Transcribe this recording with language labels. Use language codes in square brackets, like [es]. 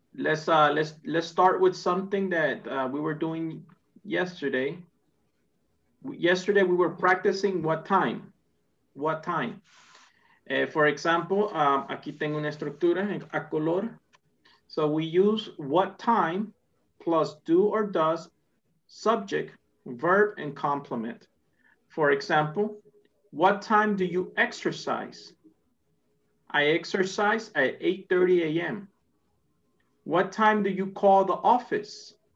[en] Let's start with something that we were doing yesterday. Yesterday we were practicing what time? For example, [es] aquí tengo una estructura a color. [en] So we use what time plus do or does, subject, verb, and complement. For example, what time do you exercise? I exercise at 8:30 a.m. What time do you call the office?